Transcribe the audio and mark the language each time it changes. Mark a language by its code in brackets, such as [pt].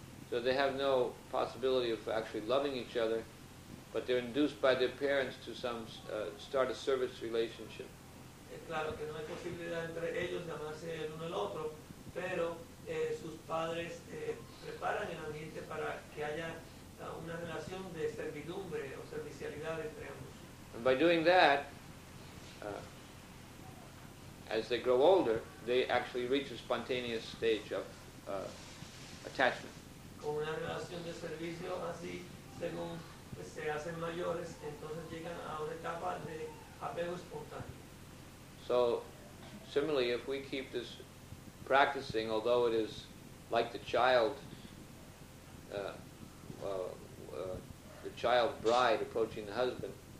[en] So they have no possibility of actually loving each other, but they're induced by their parents to some start a service relationship. [es] Claro que no hay posibilidad entre ellos de amarse el uno al otro, pero sus padres preparan el ambiente para que haya una relación de servidumbre o servicialidad entre ambos. [en] And by doing that, as they grow older, they actually reach a spontaneous stage of attachment. [es] Con una relación de servicio así, según se hacen mayores, entonces llegan a una etapa de apego espontáneo. [en] So, similarly, if we keep this practicing, although it is like the child bride approaching the husband.